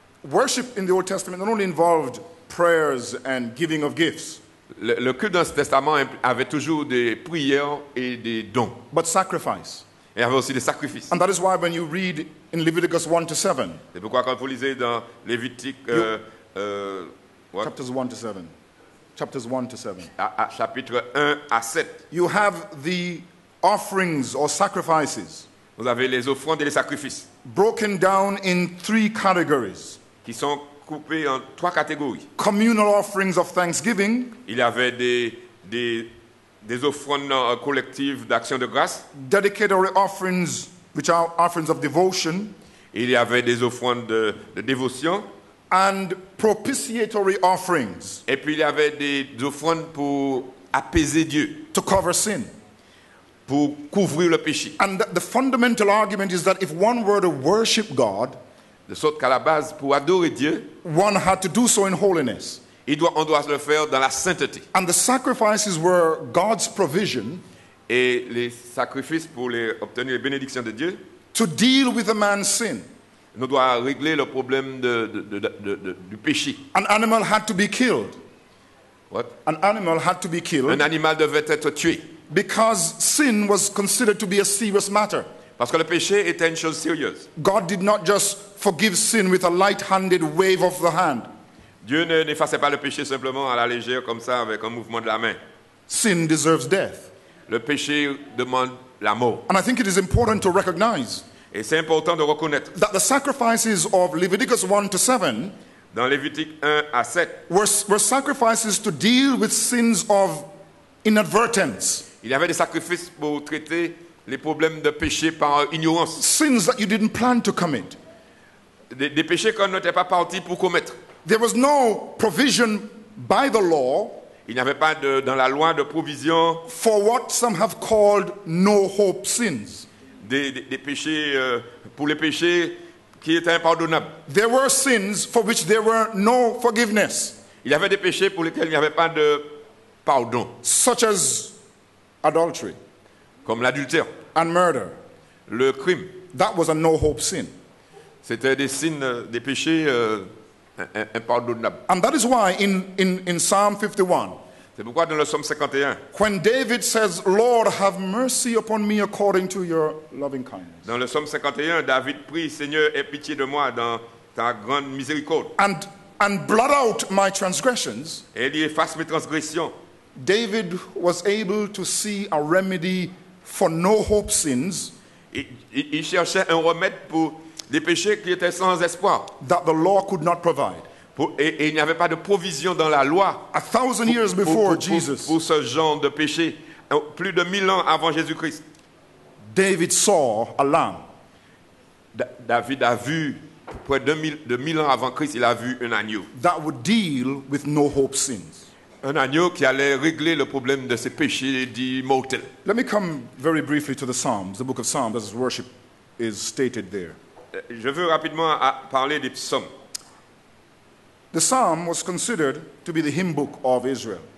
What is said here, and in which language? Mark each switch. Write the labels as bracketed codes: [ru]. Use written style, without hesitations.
[en] Worship in the Old Testament not only involved prayers and giving of gifts. [fr] Le culte dans ce testament avait toujours des prières et des dons. [en] But sacrifice. [fr] Il y avait aussi des sacrifices. [en] And that is why when you read in Leviticus 1 to 7. [fr] C'est pourquoi quand vous lisez dans Lévitique [en] chapters 1 to 7. Chapters 1 to 7. [fr] Chapitre 1 à 7. [en] You have the offerings or sacrifices. [fr] Vous avez les offrandes et les sacrifices. [en] Broken down in three categories. [fr] Qui sont coupés en trois catégories. [en] Communal offerings of thanksgiving. [fr] Il y avait des offrandes collectives d'action de grâce. [en] Dedicatory offerings, which are offerings of devotion. [fr] Il y avait des offrandes de dévotion. [en] And propitiatory offerings. [fr] Et puis il y avait des offrandes pour apaiser Dieu. [en] To cover sin. [fr] Pour couvrir le péché. [en] And the fundamental argument is that if one were to worship God, [fr] de sorte qu'à la base, pour adorer Dieu, [en] one had to do so in holiness. [fr] On doit le faire dans la sainteté. [en] And the sacrifices were God's provision. [fr] Et les sacrifices pour obtenir les bénédictions de Dieu. [en] To deal with a man's sin. [fr] Nous doit régler le problème du péché. [en] An animal had to be killed. What? An animal had to be killed. [fr] Un animal devait être tué. [en] Because sin was considered to be a serious matter. [fr] Parce que le péché était une chose sérieuse. [en] God did not just forgive sin with a light-handed wave of the hand. [fr] Dieu n'effaçait pas le péché simplement à la légère comme ça avec un mouvement de la main. [en] Sin deserves death. [fr] Le péché demande la mort. [en] And I think it is important to recognize. [fr] Et c'est important de reconnaître. [en] That the sacrifices of Leviticus 1 to 7. [fr] Dans Lévitique 1 à 7. [en] Were sacrifices to deal with sins of inadvertence. [fr] Il y avait des sacrifices pour traiter les problèmes de péché par ignorance. [en] Sins that you didn't plan to commit. [fr] Des péchés qu'on n'était pas parti pour commettre. [en] There was no provision by the law. [fr] Il n'y avait pas dans la loi de provision. [en] For what some have called no hope sins. [fr] Des péchés pour les péchés qui étaient impardonnables. [en] There were sins for which there were no forgiveness. [fr] Il y avait des péchés pour lesquels il n'y avait pas de pardon. [en] Such as adultery. [fr] Comme l'adultère. [en] And murder. [fr] Le crime. [en] That was a no hope sin. [fr] C'était des signes, des péchés impardonnables. [en] And that is why in Psalm 51. [fr] C'est pourquoi dans le Psaume 51. [en] When David says, Lord, have mercy upon me according to your loving kindness. [fr] Dans le Psaume 51, David prie, Seigneur, aie pitié de moi dans ta grande miséricorde. [en] And blot out my transgressions. [fr] Et il efface mes transgressions. [en] David was able to see a remedy for no hope sins. [fr] Il cherchait un remède pour les péchés qui étaient sans espoir. [en] That the law could not provide. [fr] Et il n'y avait pas de provision dans la loi. [en] A thousand years before Jesus. [fr] Pour ce genre de péché, plus de 1000 ans avant Jésus-Christ. [en] David saw a lamb. [fr] David a vu près de 1000 ans avant Christ, il a vu un agneau. [en] That would deal with no hope sins. [fr] Un agneau qui allait régler le problème de ses péchés dits mortels. [en] Let me come very briefly to the Psalms, the book of Psalms, as worship is stated there. [fr] Je veux rapidement parler des psaumes. [en] The psalm was considered to be the hymn book of Israel.